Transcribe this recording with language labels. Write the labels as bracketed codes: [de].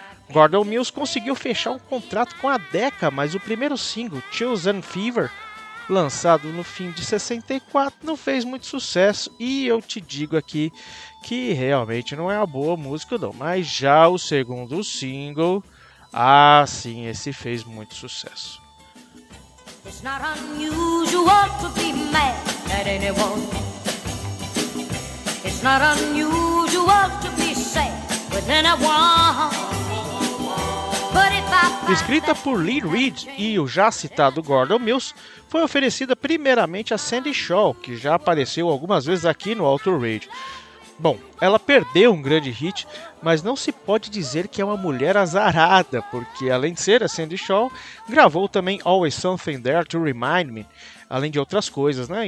[pt] Gordon Mills conseguiu fechar um contrato com a Decca, mas o primeiro single, Chills and Fever, lançado no fim de 64, não fez muito sucesso, e eu te digo aqui que realmente não é uma boa música não, mas já o segundo single, sim, esse fez muito sucesso. [en] It's not unusual to be mad at anyone. It's not unusual to be sad with anyone. [pt] Escrita por Lee Reed e o já citado Gordon Mills, foi oferecida primeiramente a Sandy Shaw, que já apareceu algumas vezes aqui no Auto Radio. Bom, ela perdeu um grande hit, mas não se pode dizer que é uma mulher azarada, porque além de ser a Sandy Shaw, gravou também Always Something There to Remind Me, além de outras coisas, né?